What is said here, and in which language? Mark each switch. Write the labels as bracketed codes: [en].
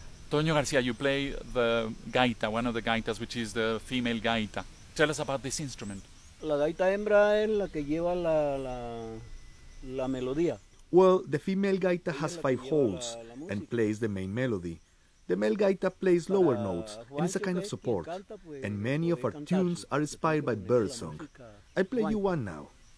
[en] Toño García, you play the gaita, one of the gaitas, which is the female gaita. Tell us about this instrument. [es] La gaita hembra es la que lleva la melodía. [en] Well, the female gaita has five holes and plays the main melody. The male gaita plays lower notes and is a kind of support. And many of our tunes are inspired by birdsong. I play you one now.